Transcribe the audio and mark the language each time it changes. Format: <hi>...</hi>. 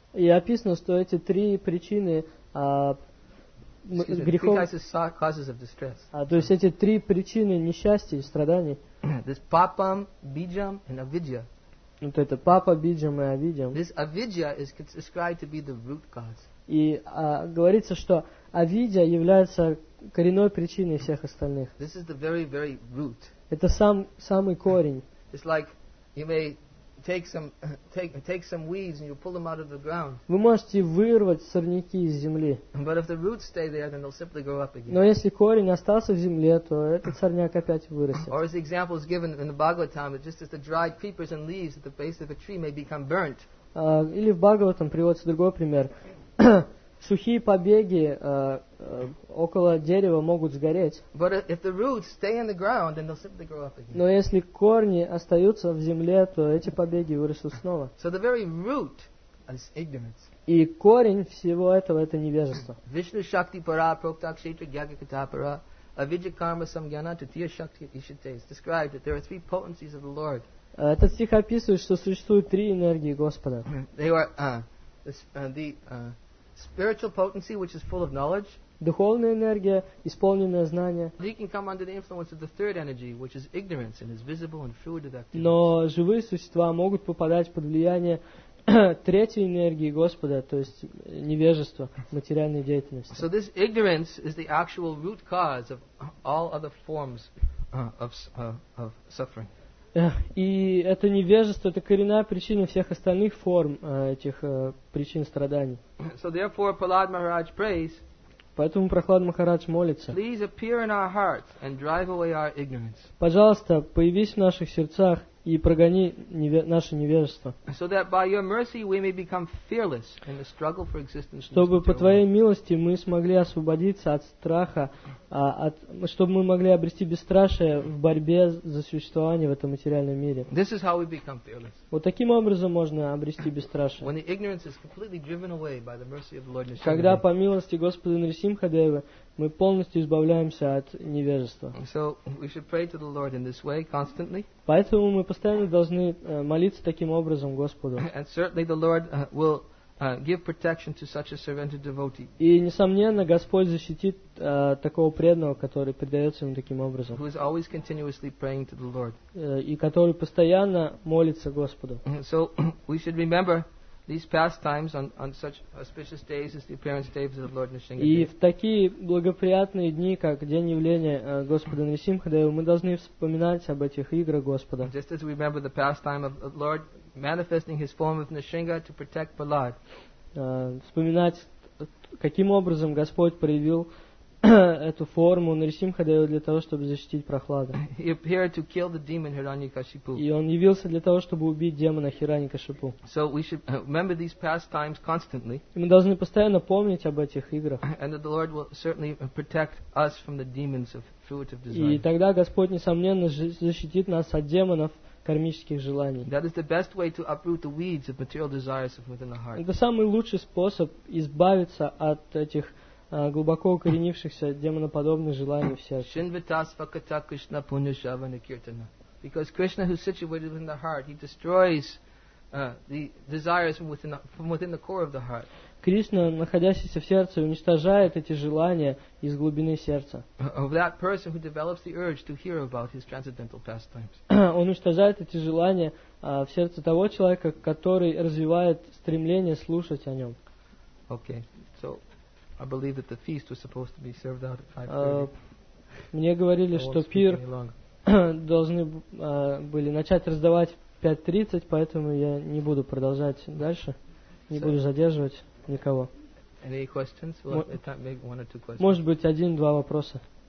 <ru>И описано, что эти три причины грехов.</ru> <en>Three types of causes of distress.</en> <ru>То есть эти три причины несчастья и страданий.</ru> <en>This papam, bijam, and avidya.</en> <ru>Вот это папа, биджам и авидьям.</ru> <en>This avidya is described to be the root cause.</en> <ru>И говорится, что авидья является коренной причиной всех остальных.</ru> <en>This is the very, very root.</en> <ru>Это самый корень.</ru> <en>It's like you may take some weeds and you pull them out of the ground.</en> <ru>Вы можете вырвать сорняки из земли.</ru> <en>But if the roots stay there, then they'll simply grow up again.</en> <ru>Но если корень остался в земле, то этот сорняк опять вырастет.</ru> <en>Or as the example is given in the Bhagavatam, it's just as the dried creepers and leaves at the base of a tree may become burnt.</en> <ru>Или в Бхагаватам приводится другой пример. Сухие побеги около дерева могут сгореть. Но если корни остаются в земле, то эти побеги вырастут снова.</ru> <en>So the very root is ignorance.</en> <ru>И корень всего этого – это невежество.</ru> <sa>Вишну шакти пара проктак шетра гьяга ката пара авиджа карма самгьяна татия шакти ишите.</sa> <en>It's described that there are three potencies of the Lord.</en> <ru>Этот стих описывает, что существуют три энергии Господа.</ru> <en>They are spiritual potency, which is full of knowledge.</en> <ru>Духовная энергия, исполненная знания.</ru> <en>He can come under the influence of the third energy, which is ignorance, and is visible and fluid of activity.</en> <ru>Но живые существа могут попадать под влияние третьей энергии Господа, то есть невежество, материальной деятельности.</ru> <en>So this ignorance is the actual root cause of all other forms of suffering.</en> <ru>И это невежество, это коренная причина всех остальных форм этих причин страданий.</ru> <en>So therefore, Prahlad Maharaj prays.</en> <ru>Поэтому Прохлад Махарадж молится.</ru> <en>Please appear in our hearts and drive away our ignorance.</en> <ru>Пожалуйста, появись в наших сердцах и прогони наше невежество.</ru> <en>So that by your mercy we may become fearless in the struggle for existence.</en> <ru>Чтобы по твоей милости мы смогли освободиться от страха, чтобы мы могли обрести бесстрашие в борьбе за существование в этом материальном мире.</ru> <en>This is how we become fearless.</en> <ru>Вот таким образом можно обрести бесстрашие.</ru> <en>When the ignorance is completely driven away by the mercy of the Lord.</en> <ru>Когда по милости Господа Нрисимхадевы мы полностью избавляемся от невежества.</ru> <en>So we should pray to the Lord in this way constantly.</en> <ru>Поэтому мы постоянно должны молиться таким образом Господу.</ru> <en>And certainly the Lord will give protection to such a surrendered devotee.</en> <ru>И несомненно, Господь защитит такого преданного, который предается ему таким образом.</ru> <en>Who is always continuously praying to the Lord.</en> <ru>И который постоянно молится Господу.</ru> <en>So we should remember these pastimes on such auspicious days as the appearance day of the Lord Nrisimhadeva.</en> <ru>И в такие благоприятные дни, как день явления Господа Нрисимхадевы, мы должны вспоминать об этих играх Господа.</ru> <en>Just as we remember the pastime of the Lord manifesting his form of Nrisimha to protect Prahlad.</en> <ru>Вспоминать, каким образом Господь проявил эту форму Нрисимхадевы для того, чтобы защитить Прохлада.</ru> <en>He appeared to kill the demon Hiranyakashipu.</en> <ru>И он явился для того, чтобы убить демона Хираньякашипу.</ru> <en>So we should remember these pastimes constantly.</en> <ru>Мы должны постоянно помнить об этих играх.</ru> <en>And that the Lord will certainly protect us from the demons of fruit of desire.</en> <ru>И тогда Господь несомненно защитит нас от демонов кармических желаний.</ru> <en>That is the best way to uproot the weeds of material desires within the heart.</en> <ru>Это самый лучший способ избавиться от этих глубоко укоренившихся демоноподобных желаний в сердце.</ru> <sa>Шинвитасвакатта Кришна Пунишаванакиртана.</sa> <en>Because Krishna, who is situated within the heart, he destroys the desires from within the core of the heart.</en> <ru>Кришна, находящийся в сердце, уничтожает эти желания из глубины сердца.</ru> <en>Of that person who develops the urge to hear about his transcendental pastimes.</en> <ru>Он уничтожает эти желания в сердце того человека, который развивает стремление слушать о нем.</ru> <en>Okay, so I believe that the feast was supposed to be served out at 5:30.</en> <ru>Мне говорили, что пир должны были начать раздавать в 5:30, поэтому я не буду продолжать дальше, не буду задерживать никого.</ru> <en>Any questions? Well, maybe one or two questions.</en> <ru>Может быть, один-два вопроса.</ru>